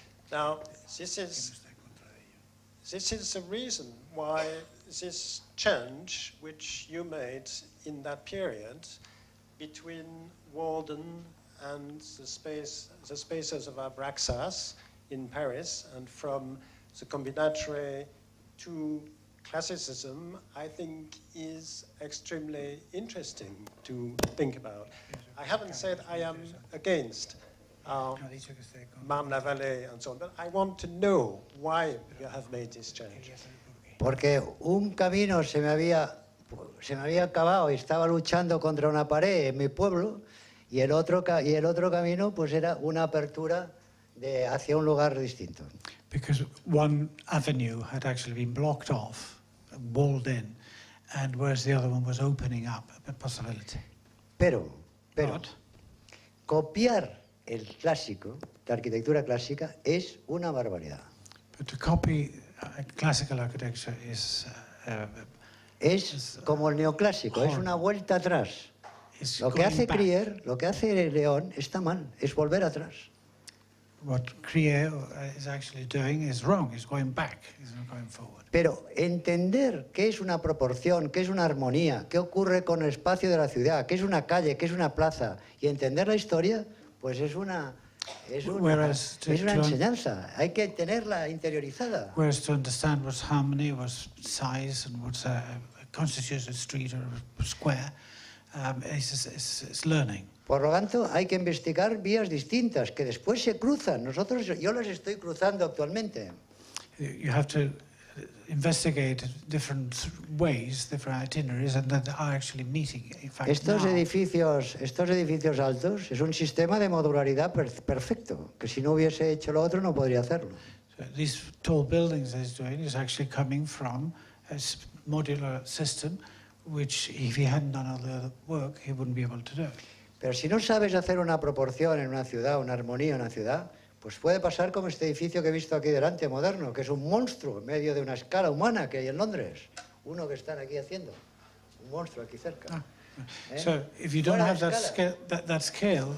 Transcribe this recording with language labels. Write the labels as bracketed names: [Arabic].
[English] Now, this is the reason why this change, which you made in that period, between Walden and the spaces of Abraxas in Paris, and from the combinatory to classicism, I think is extremely interesting to think about. I haven't said I am against Marne la Vallée and so on, but I want to know why you have made this change. [Spanish] Porque un camino se me había acabado y estaba luchando contra una pared en mi pueblo, y el otro camino pues era una apertura de hacia un lugar distinto. [English] Because one avenue had actually been blocked off, walled in, and whereas the other one was opening up a possibility. [Spanish] Pero, copiar el clásico, la arquitectura clásica es una barbaridad. [English] But to copy classical architecture is [Spanish] es como el neoclásico, es una vuelta atrás. Lo que hace Krier, lo que hace León, está mal, es volver atrás. [English] What Krier is actually doing is wrong, he's going back, he's not going forward. [Spanish] Pero entender qué es una proporción, qué es una armonía, qué ocurre con el espacio de la ciudad, qué es una calle, qué es una plaza, y entender la historia, pues es una... Es una enseñanza. Hay que tenerla interiorizada. [English] Whereas to understand what's harmony, what's size, and what constitutes a street or a square, it's learning. [Spanish] Por lo tanto, hay que investigar vías distintas que después se cruzan. Yo las estoy cruzando actualmente. [English] You have to investigate different ways, different itineraries, and then are actually meeting. In fact, [Spanish] estos edificios altos, es un sistema de modularidad perfecto. Que si no hubiese hecho lo otro, no podría hacerlo. [English] So these tall buildings he's doing is actually coming from a modular system, which if he hadn't done all the other work, he wouldn't be able to do. [Spanish] Pero si no sabes hacer una proporción en una ciudad, una armonía en una ciudad. Pues puede pasar como este edificio que he visto aquí delante, moderno, que es un monstruo en medio de una escala humana que hay en Londres. Uno que están aquí haciendo. Un monstruo aquí cerca. [English] So, if you don't have that scale...